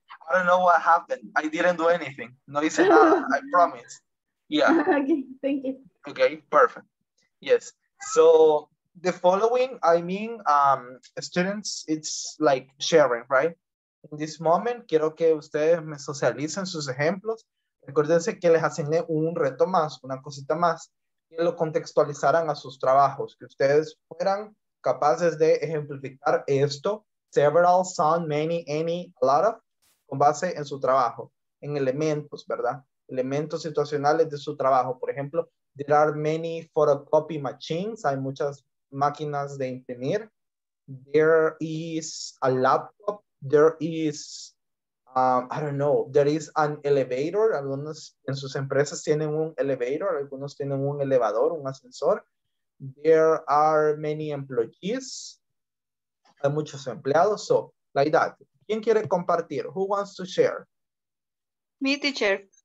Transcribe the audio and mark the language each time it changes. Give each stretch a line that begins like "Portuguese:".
English: I don't know what happened. I didn't do anything.
Spanish: No hice nada,
English: I promise. Yeah. Okay, thank you. Okay, perfect. Yes. So the following, I mean, students, it's like sharing, right? In this moment,
Spanish: quiero que ustedes me socialicen sus ejemplos. Recuérdense que les asigné un reto más, una cosita más, que lo contextualizaran a sus trabajos, que ustedes fueran capaces de ejemplificar esto, several, some, many, any, a lot of, con base en su trabajo, en elementos, ¿verdad? Elementos situacionales de su trabajo. Por ejemplo,
English: there are many photocopy machines,
Spanish: hay muchas máquinas de imprimir.
English: There is a laptop. There is, I don't know, there is an elevator.
Spanish: Algunos en sus empresas tienen un elevator, algunos tienen un elevador, un ascensor.
English: There are many employees.
Spanish: Hay muchos empleados.
English: So, like that.
Spanish: ¿Quién quiere compartir?
English: Who wants to share? Me, teacher.